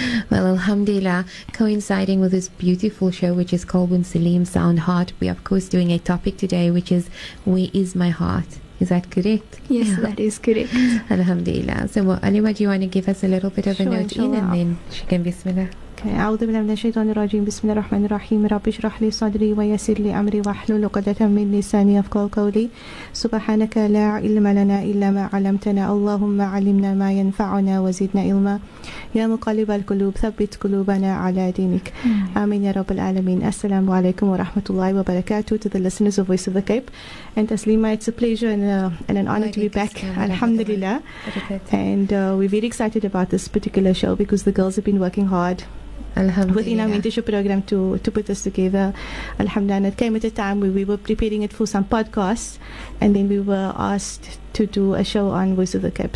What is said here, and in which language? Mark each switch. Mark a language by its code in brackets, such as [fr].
[en] Well, alhamdulillah, coinciding with this beautiful show, which is Kalbun Salim Sound Heart, we of course doing a topic today, which is Where is My Heart? Is that correct? Yes, that is correct. Alhamdulillah. So, Mu'alima, do you want to give us a little bit of a note in and then she can bismillah? Okay. [ar] أعوذ بالله من الشيطان الرجيم بسم الله الرحمن الرحيم رب اشرح لي صدري ويسر لي أمري واحلل عقدة من لساني يفقهوا قولي سبحانك لا علم لنا إلا ما علمتنا اللهم علمنا ما ينفعنا وزدنا علما يا مقلب القلوب ثبت قلوبنا على دينك آمين يا رب العالمين السلام عليكم ورحمة الله وبركاته [en] to the listeners of Voice of the Cape and Taslima, it's a pleasure and an honor to be back. Alhamdulillah. And we're very excited about this particular show because the girls have been working hard within our mentorship program to put this together. Alhamdulillah, and it came at a time where we were preparing it for some podcasts and then we were asked to do a show on Voice of the Cape.